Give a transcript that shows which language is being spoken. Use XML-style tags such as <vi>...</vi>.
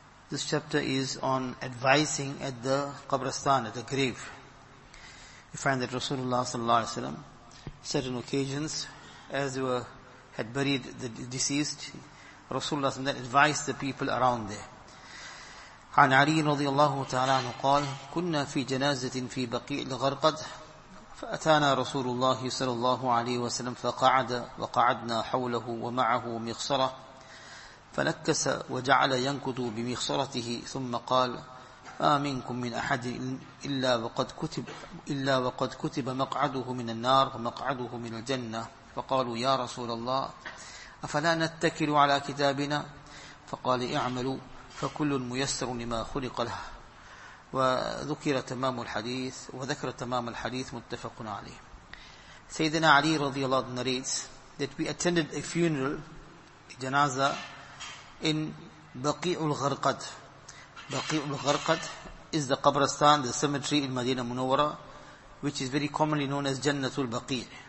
<en>This chapter is on advising at the qabristan, at the grave. We find that Rasulullah sallallahu alaihi wasallam, certain occasions, as they had buried the deceased, Rasulullah sallam then advised the people around there.</en> <ar>عن علي رضي الله تعالى عنه قال كنا في جنازة في بقيع الغرقد فأتانا رسول الله صلى الله عليه وسلم فقعد وقعدنا حوله ومعه مخصرة فنكس وجعل ينكت بمخصرته ثم قال ما منكم من أحد إلا وقد كتب مقعده من النار ومقعده من الجنة فقالوا يا رسول الله أفلا نتكل على كتابنا فقال اعملوا فكل ميسر لما خلق له وذكر تمام الحديث متفق عليه.</ar> <en>سيدنا علي رضي الله عنه narrates that we attended a funeral, a janaza, in بقيع الغرقد. بقيع الغرقد is the qabristan, the cemetery in Medina Munawwara, which is very commonly known as Jannatul Baqi.</en>